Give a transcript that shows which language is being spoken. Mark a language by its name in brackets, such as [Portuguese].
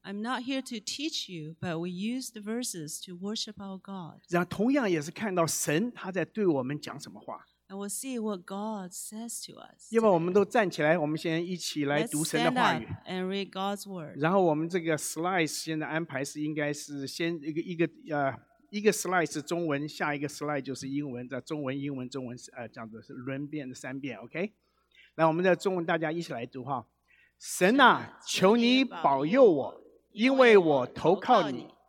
[English] I'm not here to teach you, but we use the verses to worship our God. [Chinese] 然后同样也是看到神他在对我们讲什么话。 [English] And we'll see what God says to us. [Chinese] 要不我们都站起来，我们先一起来读神的话语。 [English] Let's stand up and read God's word. [Chinese] 然后我们这个 slides 现在安排是应该是先一个 slide 是中文，下一个 slide 就是英文，在中文、英文、中文，这样子轮遍三遍 ，OK？来，我们在中文大家一起来读哈。神啊，求你保佑我，因为我投靠你。